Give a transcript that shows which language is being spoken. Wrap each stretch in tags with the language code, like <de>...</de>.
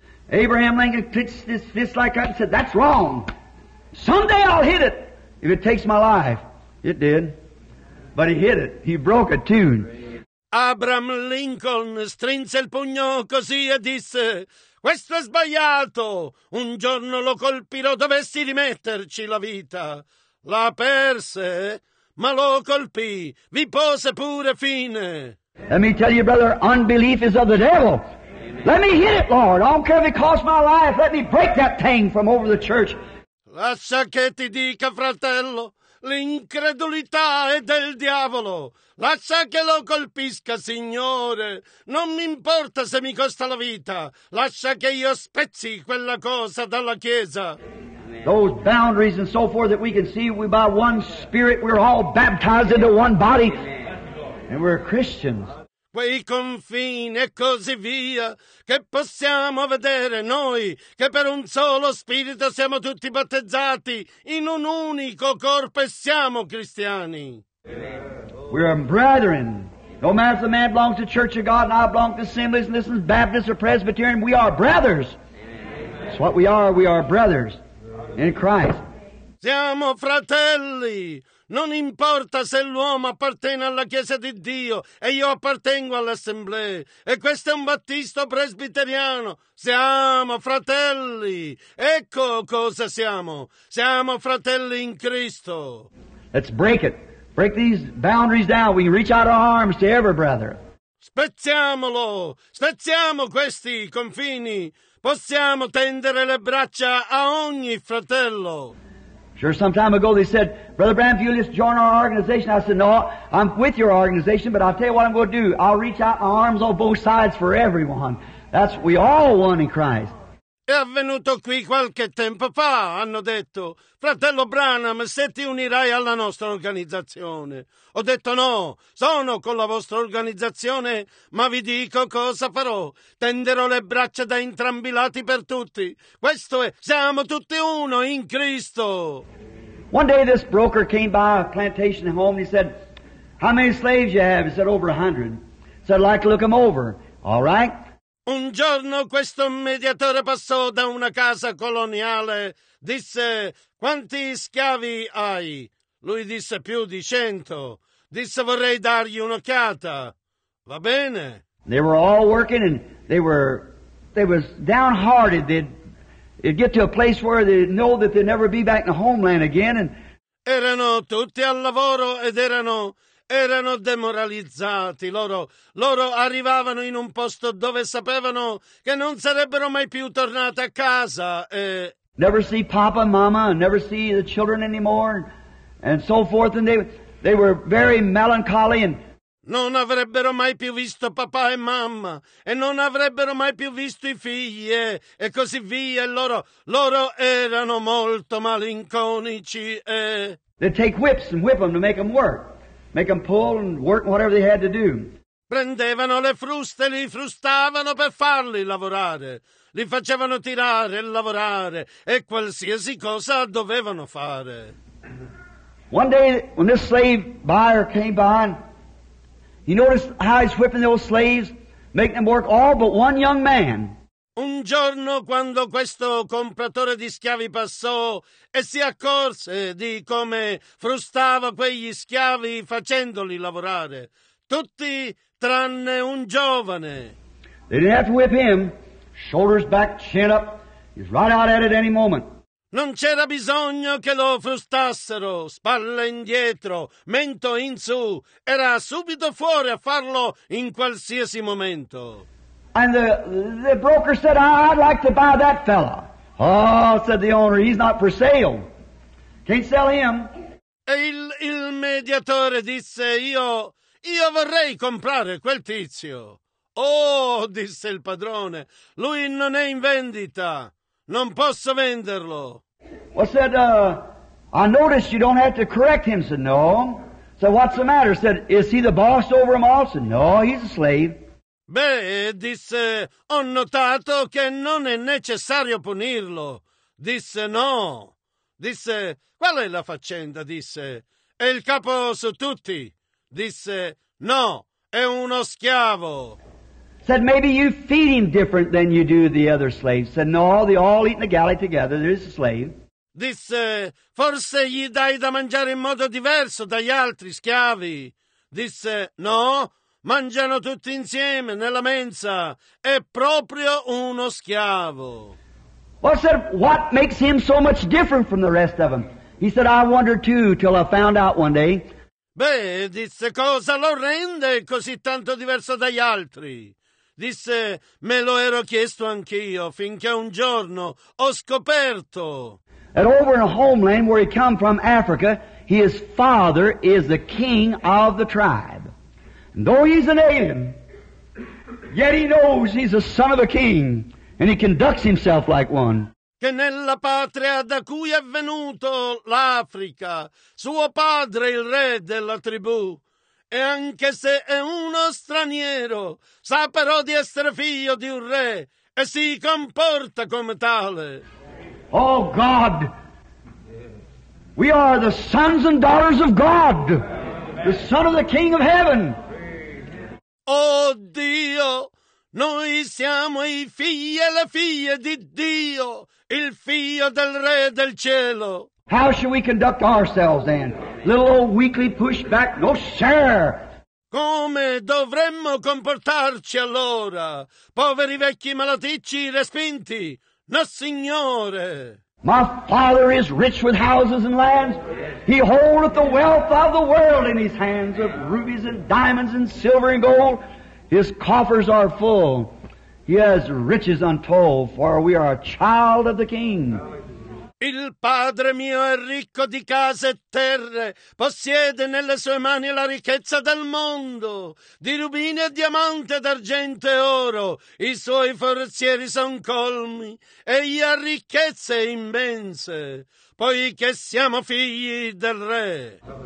<en>Abraham Lincoln clenched his fist like that and said, "That's wrong. Someday I'll hit it, if it takes my life." It did. But he hit it. He broke a tune.</en> <it>Abraham Lincoln strinse il pugno così e disse, "Questo è sbagliato! Un giorno lo colpirò, dovessi rimetterci la vita!" La perse, ma lo colpì, vi pose pure fine.</it> <en>Let me tell you, brother, unbelief is of the devil. Let me hit it, Lord. I don't care if it costs my life. Let me break that thing from over the church.</en> <it>Lascia che ti dica, fratello, l'incredulità è del diavolo. Lascia che lo colpisca, Signore. Non mi importa se mi costa la vita. Lascia che io spezzi quella cosa dalla Chiesa.</it> <en>Those boundaries and so forth that we can see, we by one Spirit, we're all baptized into one body, and we're Christians.</en> <it>Quei confini e così via che possiamo vedere noi, che per un solo Spirito siamo tutti battezzati in un unico corpo e siamo cristiani.</it> <en>We are brethren. No matter if the man belongs to the Church of God and I belong to assemblies and this is Baptist or Presbyterian, we are brothers. That's what we are brothers in Christ.</en> <it>Siamo fratelli. Non importa se l'uomo appartiene alla Chiesa di Dio e io appartengo all'Assemblea. E questo è un battista presbiteriano. Siamo fratelli. Ecco cosa siamo. Siamo fratelli in Cristo.</it> <en>Let's break it. Break these boundaries down. We can reach out our arms to every brother.</en> <it>Spezziamolo. Spezziamo questi confini. Possiamo tendere le braccia a ogni fratello.</it> <en>Sure, some time ago they said, "Brother Branham, if you'll just join our organization." I said, "No, I'm with your organization, but I'll tell you what I'm going to do. I'll reach out my arms on both sides for everyone. That's we all one in Christ."</en> <it>È avvenuto qui qualche tempo fa, hanno detto, "Fratello Branham, se ti unirai alla nostra organizzazione." Ho detto, "No, sono con la vostra organizzazione, ma vi dico cosa farò. Tenderò le braccia da entrambi i lati per tutti. Questo è, siamo tutti uno in Cristo."</it> <en>One day this broker came by a plantation home and he said, "How many slaves you have?" He said, "Over 100. He said, "I'd like to look them over." "All right."</en> <it>Un giorno questo mediatore passò da una casa coloniale, disse, "Quanti schiavi hai?" Lui disse, "Più di 100. Disse, "Vorrei dargli un'occhiata." "Va bene."</it> <en>They were all working and they were downhearted. They'd get to a place where they know that they'd never be back in the homeland again. And</en> <it>erano tutti al lavoro ed erano demoralizzati. Loro arrivavano in un posto dove sapevano che non sarebbero mai più tornati a casa. E</it> <en>never see papa, mama, and never see the children anymore, and so forth. And they were very melancholy. And</en> <it>non avrebbero mai più visto papà e mamma, e non avrebbero mai più visto i figli, e così via. Loro erano molto malinconici.</it> <en>They take whips and whip them to make them work, make them pull and work whatever they had to do.</en> <it>Prendevano le fruste, li frustavano per farli lavorare. Li facevano tirare e lavorare, e qualsiasi cosa dovevano fare.</it> <en>One day, when this slave buyer came by, he noticed how he's whipping those slaves, making them work all but one young man.</en> <it>Un giorno, quando questo compratore di schiavi passò e si accorse di come frustava quegli schiavi facendoli lavorare, tutti tranne un giovane.</it> <en>They didn't have to whip him. Shoulders back, chin up. He's right out at it any moment.</en> <it>Non c'era bisogno che lo frustassero, spalle indietro, mento in su. Era subito fuori a farlo in qualsiasi momento.</it> <en>And the broker said, "I'd like to buy that fella." "Oh," said the owner, "he's not for sale. Can't sell him."</en> <it>E il mediatore disse, io vorrei comprare quel tizio." "Oh," disse il padrone, "lui non è in vendita. Non posso venderlo."</it> <en>"Well," said, "I noticed you don't have to correct him." "Said, no." "Said, what's the matter?" "Said, is he the boss over him all?" "Said, no, he's a slave."</en> <it>"Beh," disse, "ho notato che non è necessario punirlo." "Disse, no." "Disse, qual è la faccenda?" "Disse, è il capo su tutti." "Disse, no, è uno schiavo."</it> <en>"Said, maybe you feed him different than you do the other slaves." "Said, no, they all eat in the galley together. There's a slave."</en> <it>"Disse, forse gli dai da mangiare in modo diverso dagli altri schiavi." "Disse, no, mangiano tutti insieme nella mensa. È proprio uno schiavo."</it> <en>"Well," said, "what makes him so much different from the rest of them?" "He said, I wondered too till I found out one day."</en> <it>"Beh," disse, "cosa lo rende così tanto diverso dagli altri?" "Disse, me lo ero chiesto anch'io, finché un giorno ho scoperto."</it> <en>"And over in a homeland where he come from, Africa, his father is the king of the tribe. And though he's an alien, yet he knows he's the son of a king, and he conducts himself like one."</en> <it>"Che nella patria da cui è venuto, l'Africa, suo padre il re della tribù, e anche se è uno straniero, sa però di essere figlio di un re e si comporta come tale."</it> <en>"Oh God, we are the sons and daughters of God, the son of the king of heaven."</en> <it>"Oh Dio, noi siamo i figli e le figlie di Dio, il figlio del re del cielo."</it> <en>"How should we conduct ourselves then? Little old weakly push back, no share."</en> <it>"Come dovremmo comportarci allora? Poveri vecchi malaticci respinti, no signore."</it> <en>"My father is rich with houses and lands. He holdeth the wealth of the world in his hands, of rubies and diamonds and silver and gold. His coffers are full. He has riches untold, for we are a child of the king."</en> <it>"Il padre mio è ricco di case e terre, possiede nelle sue mani la ricchezza del mondo, di rubini e diamante, d'argento e oro, i suoi forzieri son colmi, egli ha ricchezze immense, poiché siamo figli del re."</it>